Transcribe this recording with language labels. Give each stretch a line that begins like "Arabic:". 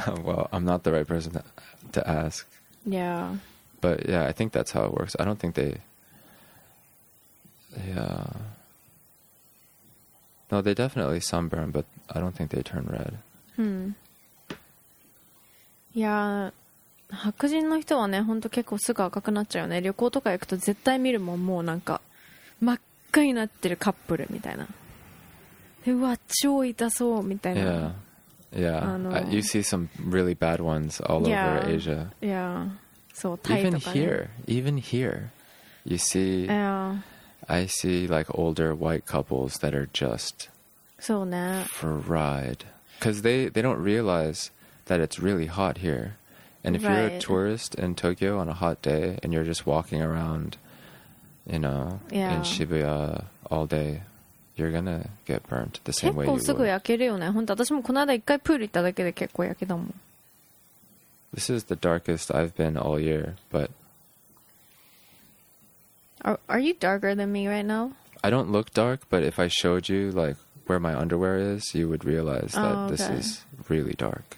English: Well, I'm not the right person to ask. Yeah. But yeah, I think that's how it works. I don't think they... Yeah. No, they definitely sunburn, but I don't think they turn red. Yeah.
Japanese: 白人の人はね、本当結構すぐ赤くなっちゃうよね。旅行とか行くと絶対見るもん、もうなんか真っ赤になってるカップルみたいな。で、うわ、超痛そうみたいな。
English: Yeah. Yeah. You see some really bad ones all over Asia. Yeah. So, even here, you see. Yeah. I see like older white couples that are just fried. Because they don't realize that it's really hot here. And if you're a tourist in Tokyo on a hot day and you're just walking around, you know, in Shibuya all day, you're going to get burnt the same way you would.
Japanese: 結構すぐ焼けるよね。本当、私もこの間一回プール行っただけで結構焼けたもん。
English: This is the darkest I've been all year, but... Are you darker than me right now? I don't look dark, but if I showed you like where my underwear is, you would realize that this is really dark.